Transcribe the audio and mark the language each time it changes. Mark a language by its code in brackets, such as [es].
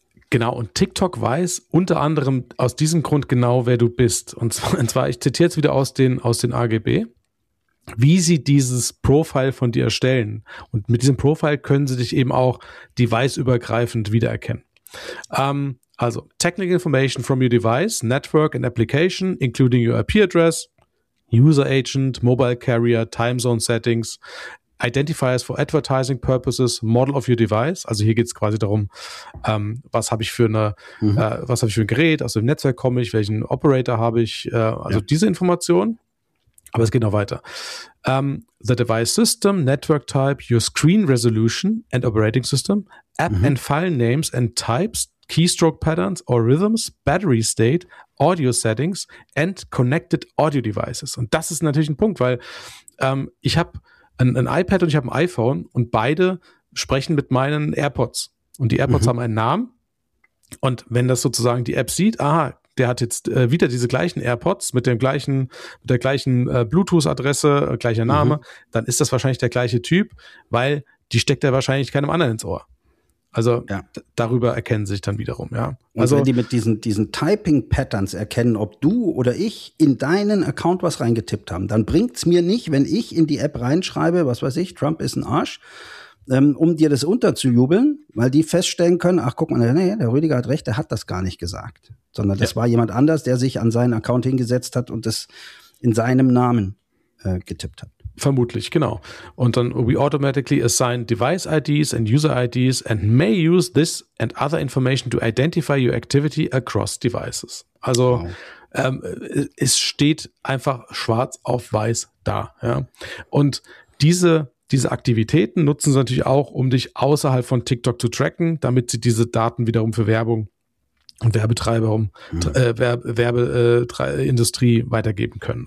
[de] Genau, und TikTok weiß unter anderem aus diesem Grund genau, wer du bist. Und zwar, ich zitiere jetzt wieder aus den AGB. Wie sie dieses Profile von dir erstellen. Und mit diesem Profile können sie dich eben auch deviceübergreifend wiedererkennen. [en] Also, technical information from your device, network and application, including your IP address, user agent, mobile carrier, time zone settings, identifiers for advertising purposes, model of your device. [de] Also hier geht es quasi darum, was habe ich für ein Gerät, aus dem Netzwerk komme ich, welchen Operator habe ich, diese Informationen. Aber es geht noch weiter. [en] The device system, network type, your screen resolution and operating system, app and file names and types, keystroke patterns or rhythms, battery state, audio settings and connected audio devices. [de] Und das ist natürlich ein Punkt, weil ich habe ein iPad und ich habe ein iPhone und beide sprechen mit meinen AirPods. Und die AirPods haben einen Namen. Und wenn das sozusagen die App sieht, aha, der hat jetzt wieder diese gleichen AirPods mit dem gleichen, mit der gleichen Bluetooth-Adresse, gleicher Name, dann ist das wahrscheinlich der gleiche Typ, weil die steckt er wahrscheinlich keinem anderen ins Ohr. Also darüber erkennen sich dann wiederum, ja. Und also, wenn die mit diesen Typing-Patterns erkennen, ob du oder ich in deinen Account was reingetippt haben, dann bringt's mir nicht, wenn ich in die App reinschreibe, was weiß ich, Trump ist ein Arsch, um dir das unterzujubeln, weil die feststellen können, ach guck mal, nee, der Rüdiger hat recht, der hat das gar nicht gesagt. Sondern das war jemand anders, der sich an seinen Account hingesetzt hat und das in seinem Namen getippt hat. Vermutlich, genau. Und dann, [en] we automatically assign device IDs and user IDs and may use this and other information to identify your activity across devices. [de] Also, es steht einfach schwarz auf weiß da. Ja. Und diese Aktivitäten nutzen sie natürlich auch, um dich außerhalb von TikTok zu tracken, damit sie diese Daten wiederum für Werbung und Werbetreiber Werbeindustrie weitergeben können.